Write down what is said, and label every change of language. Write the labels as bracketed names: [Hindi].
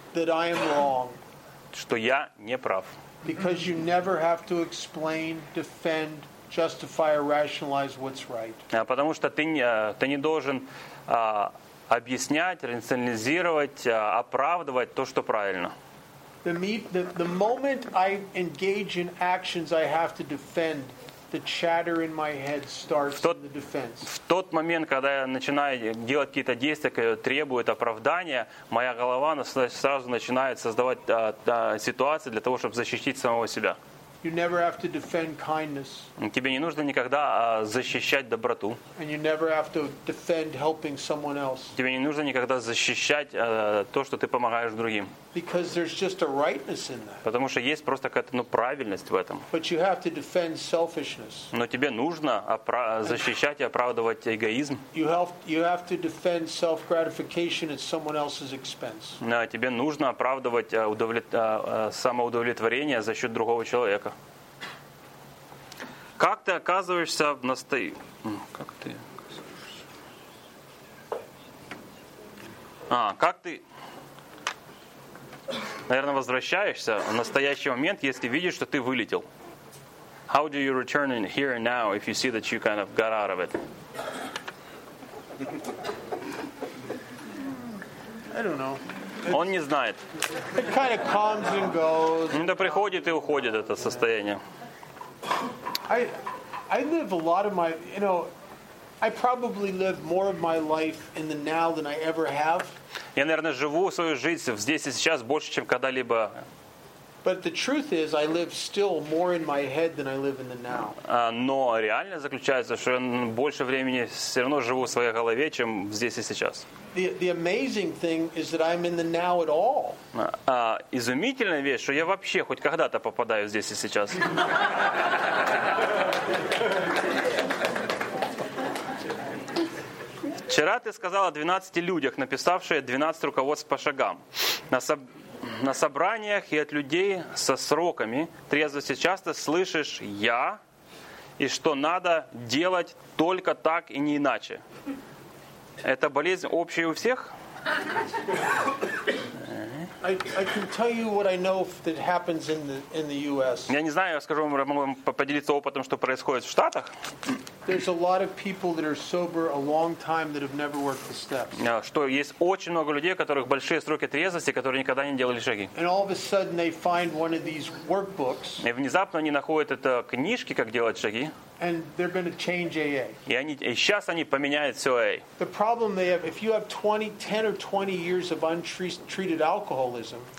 [English] that I am wrong, [Russian] что я не прав, [English] because you never have to explain, defend, justify or rationalize what's right. [Russian] Потому что ты не должен объяснять, рационализировать, оправдывать то, что правильно. [English] The moment I engage in actions I have to defend, the chatter in my head starts in the defense. [Russian] В тот момент, когда я начинаю делать какие-то действия, которые требуют оправдания, моя голова сразу начинает создавать ситуации для того, чтобы защитить самого себя. [English] You never have to defend kindness. [Russian] Тебе не нужно никогда защищать доброту. [English] And you never have to defend helping someone else. [Russian] Тебе не нужно никогда защищать то, что ты помогаешь другим. [English] Because there's just a rightness in that. [Russian] Потому что есть просто какая-то правильность в этом. [English] But you have to defend selfishness. [Russian] Но тебе нужно защищать и оправдывать эгоизм. [English] You have to defend self-gratification at someone else's expense. [Russian] Да, тебе нужно оправдывать самоудовлетворение за счет другого человека. Как ты оказываешься в наверное, возвращаешься в настоящий момент, если видишь, что ты вылетел? [English] How do you return in here and now if you see that you kind of got out of it? I don't know. [Russian] Он не знает. [English] It kind of comes and goes. [Russian] Это приходит и уходит, это состояние. [English] I live a lot of my, you know, I probably live more of my life in the now than I ever have. [Russian] Я, наверное, живу свою жизнь здесь и сейчас больше, чем когда-либо. [English] But the truth is, I live still more in my head than I live in the now. [Russian] Но реально заключается, что я больше времени все равно живу в своей голове, чем здесь и сейчас. [English] The amazing thing is that I'm in the now at all. [Russian] Изумительная вещь, что я вообще хоть когда-то попадаю здесь и сейчас. Вчера ты сказал о 12 людях, написавшие 12 руководств по шагам. На собраниях и от людей со сроками трезвости часто слышишь «я» и что надо делать только так и не иначе. Это болезнь общая у всех? [English] I can tell you what I know that happens in the U.S. [Russian] Я не знаю, скажу вам, могу вам поделиться опытом, что происходит в Штатах. [English] There's a lot of people that are sober a long time that have never worked the steps. [Russian] Что есть очень много людей, которых большие сроки трезвости, которые никогда не делали шаги. [English] And all of a sudden they find one of these workbooks. [Russian] И внезапно они находят это книжки, как делать шаги. [English] And they're going to change AA. [Russian] И сейчас они поменяют все AA. [English] The problem they have, if you have 10 or 20 years of untreated alcoholism.